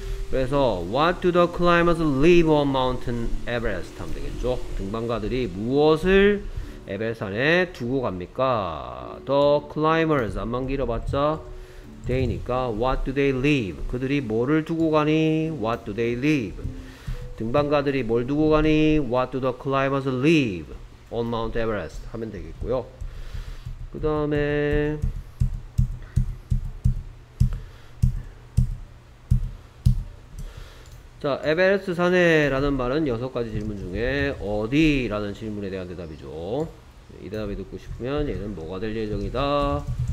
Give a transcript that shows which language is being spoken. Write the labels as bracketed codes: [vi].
[ko] 그래서 [en] What do the climbers leave on Mountain Everest? [ko] 하면 되겠죠. 등반가들이 무엇을 에베레스트 산에 두고 갑니까? [en] The climbers [ko] 안만 길어봤자 [en] they니까 What do they leave? [ko] 그들이 뭐를 두고 가니? [en] What do they leave? [ko] 등반가들이 뭘 두고 가니? [en] What do the climbers leave on Mount Everest? [ko] 하면 되겠고요. 그 다음에 자 에베레스트 산에라는 말은 여섯 가지 질문 중에 어디라는 질문에 대한 대답이죠. 이 대답이 듣고 싶으면 얘는 뭐가 될 예정이다?